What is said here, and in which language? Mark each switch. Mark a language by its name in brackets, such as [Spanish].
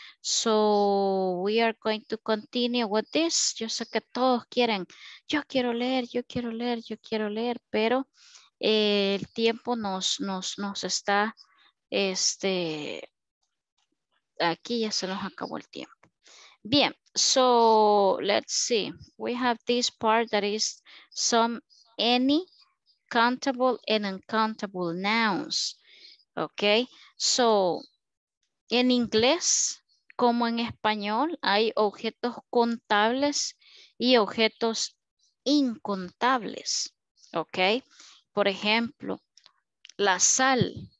[English] So we are going to continue with this. [Spanish] Yo sé que todos quieren, yo quiero leer, pero el tiempo nos está, aquí ya se nos acabó el tiempo. [English] Bien, so let's see. We have this part that is some any countable and uncountable nouns. [Spanish] Okay, so en inglés como en español hay objetos contables y objetos incontables. Okay, por ejemplo, la sal.